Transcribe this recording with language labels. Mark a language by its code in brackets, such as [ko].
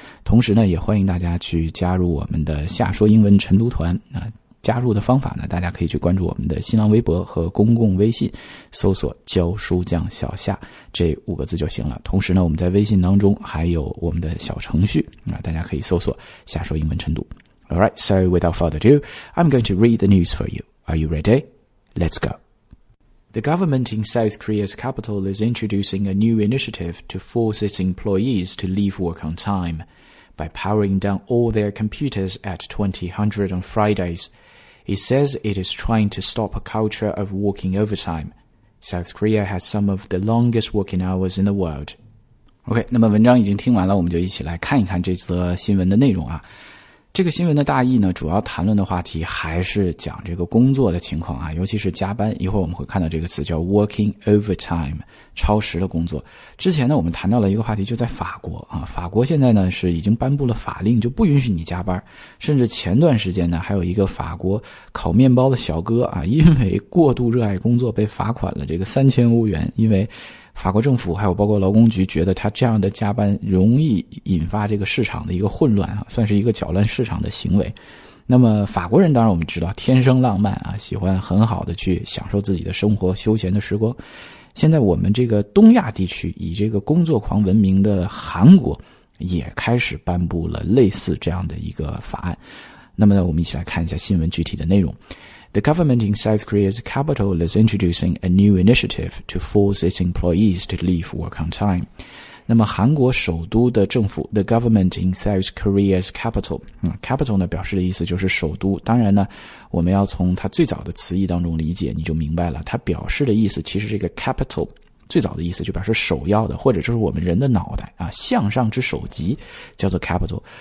[zh] 同时呢，也欢迎大家去加入我们的夏说英文晨读团啊。加入的方法呢，大家可以去关注我们的新浪微博和公共微信，搜索教书匠小夏这五个字就行了。同时呢，我们在微信当中还有我们的小程序啊，大家可以搜索夏说英文晨读。 [en] Alright, so without further ado, I'm going to read the news for you. Are you ready? Let's go. The government in South Korea's capital is introducing a new initiative to force its employees to leave work on time by powering down all their computers at 20:00 on Fridays. It says it is trying to stop a culture of working overtime. South Korea has some of the longest working hours in the world. [zh] OK, 那么文章已经听完了，我们就一起来看一看这则新闻的内容啊。这个新闻的大意呢，主要谈论的话题还是讲这个工作的情况啊，尤其是加班。一会儿我们会看到这个词叫 [en] working overtime， [zh] 超时的工作。之前呢，我们谈到了一个话题，就在法国啊，法国现在呢是已经颁布了法令，就不允许你加班。甚至前段时间呢，还有一个法国烤面包的小哥啊，因为过度热爱工作被罚款了这个3000欧元，因为法国政府还有包括劳工局觉得他这样的加班容易引发这个市场的一个混乱啊，算是一个搅乱市场的行为。那么法国人当然我们知道天生浪漫啊，喜欢很好的去享受自己的生活休闲的时光。现在我们这个东亚地区以这个工作狂闻名的韩国也开始颁布了类似这样的一个法案。那么呢，我们一起来看一下新闻具体的内容。 [en] The government in South Korea's capital is introducing a new initiative to force its employees to leave work on time. [zh] 那么韩国首都的政府 [en] The government in South Korea's capital、 [zh] capital 呢表示的意思就是首都。当然呢，我们要从它最早的词义当中理解，你就明白了，它表示的意思其实这个 capital 最早的意思就表示首要的，或者就是我们人的脑袋啊，向上之首级叫做 capital。